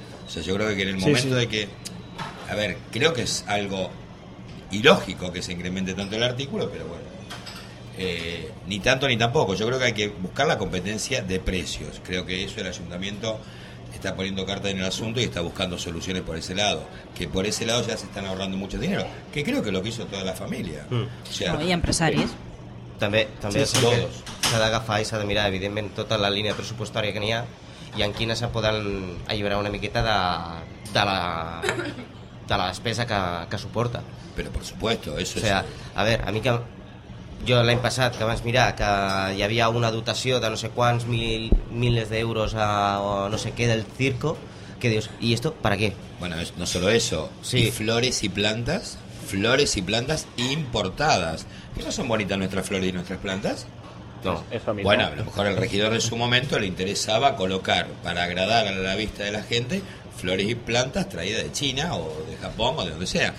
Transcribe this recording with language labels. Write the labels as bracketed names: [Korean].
[Spanish] O sea, yo creo que en el momento de que... A ver, creo que es algo ilógico que se incremente tanto el artículo, pero bueno, ni tanto ni tampoco. Yo creo que hay que buscar la competencia de precios. Creo que eso el ayuntamiento está poniendo carta en el asunto y está buscando soluciones por ese lado, que por ese lado ya se están ahorrando mucho dinero, que creo que lo que hizo toda la familia. O sea, y empresarios. [Catalan] També sí, s'ha d'agafar i s'ha de mirar evidentment tota la línia pressupostària que n'hi ha i en quina se poden alliberar una miqueta de la despesa que suporta. [Spanish] Pero por supuesto, eso o sea, es... A ver, a mi que [Catalan] jo l'any passat que vaig mirar que hi havia una dotació de no sé quants milers d'euros a no sé què del circo, que dius, [Spanish] ¿y esto para qué? Bueno, no solo eso, sí. Y flores y plantas importadas. ¿Esas son bonitas nuestras flores y nuestras plantas? No, eso mismo. Bueno, a lo mejor al regidor en su momento le interesaba colocar, para agradar a la vista de la gente, flores y plantas traídas de China o de Japón o de donde sea.